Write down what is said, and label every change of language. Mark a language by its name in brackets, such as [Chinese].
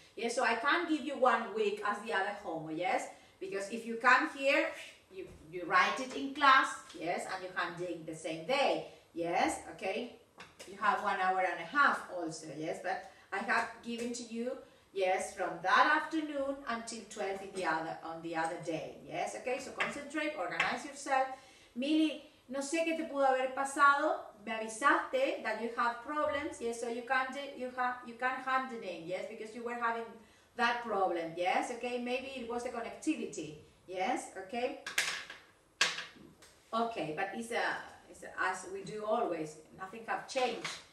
[English] Yes, so I can't give you 1 week as the other homework, yes, because if you come here, you write it in class, yes, and you hand in the same day, yes, okay. You have 1 hour and a half also, yes, but I have given to you, yes, from that afternoon until 12 in the other, on the other day. Yes, okay, so concentrate, organize yourself. [Spanish] Mili, no sé qué te pudo haber pasado. Me avisaste [English] that you have problems. Yes, so you can't hand it in, yes, because you were having that problem. Yes, okay, maybe it was the connectivity. Yes, okay. Okay, but it's as we do always. Nothing have changed.